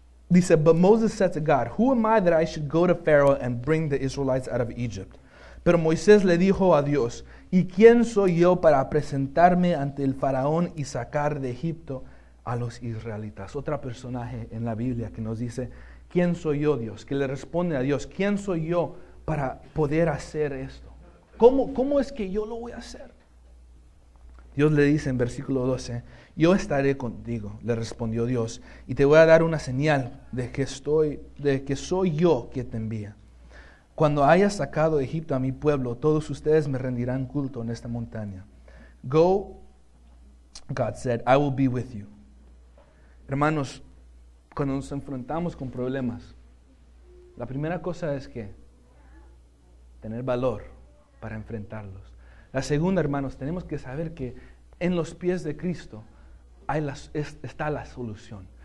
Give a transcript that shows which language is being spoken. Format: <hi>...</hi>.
<en>Dice, but Moses said to God, who am I that I should go to Pharaoh and bring the Israelites out of Egypt?</en> <es>Pero Moisés le dijo a Dios, ¿y quién soy yo para presentarme ante el faraón y sacar de Egipto a los israelitas? Otro personaje en la Biblia que nos dice, ¿quién soy yo, Dios? Que le responde a Dios, ¿quién soy yo para poder hacer esto? ¿Cómo es que yo lo voy a hacer? Dios le dice en versículo 12, yo estaré contigo, le respondió Dios, y te voy a dar una señal de que soy yo que te envía. Cuando hayas sacado de Egipto a mi pueblo, todos ustedes me rendirán culto en esta montaña.</es> <en>Go, God said, I will be with you.</en> <es>Hermanos, cuando nos enfrentamos con problemas, la primera cosa es que tener valor para enfrentarlos. La segunda, hermanos, tenemos que saber que en los pies de Cristo está la solución.</es>